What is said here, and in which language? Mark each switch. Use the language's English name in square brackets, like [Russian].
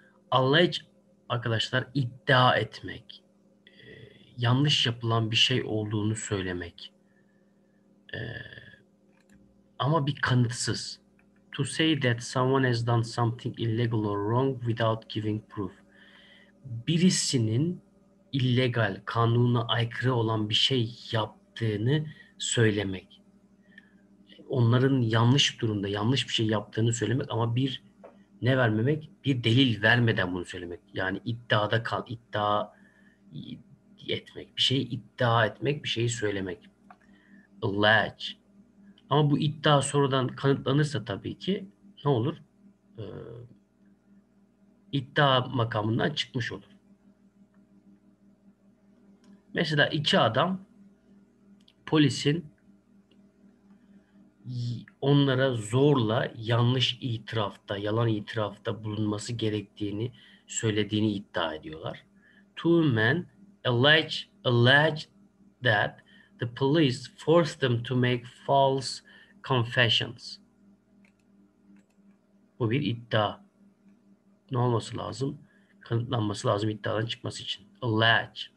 [Turkish] Allege arkadaşlar iddia etmek, yanlış yapılan bir şey olduğunu söylemek. Ama bir kanıtsız. [English] To say that someone has done something illegal or wrong without giving proof. [Turkish] Birisinin illegal, kanuna aykırı olan bir şey yaptığını söylemek. Onların yanlış durumda, yanlış bir şey yaptığını söylemek ama bir ne vermemek? Bir delil vermeden bunu söylemek. Yani iddiada kal, iddia etmek. Bir şeyi iddia etmek, bir şeyi söylemek. Allege. Ama bu iddia sonradan kanıtlanırsa tabii ki ne olur? İddia makamından çıkmış olur. Mesela iki adam polisin onlara zorla yanlış itirafta, yalan itirafta bulunması gerektiğini söylediğini iddia ediyorlar. [English] Two men allege that the police forced them to make false confessions. [Turkish] Bu bir iddia. Ne olması lazım? Kanıtlanması lazım iddiadan çıkması için. Allege.